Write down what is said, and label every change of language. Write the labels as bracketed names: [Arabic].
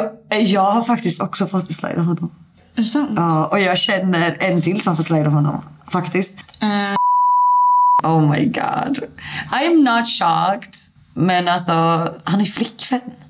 [Swedish] Jag har faktiskt också fått en slide av honom. Är det sant? Ja, och jag känner en till som har fått slide av honom. Faktiskt. [English] Oh my god, I am not shocked. [Swedish] Men alltså, han är flickvän.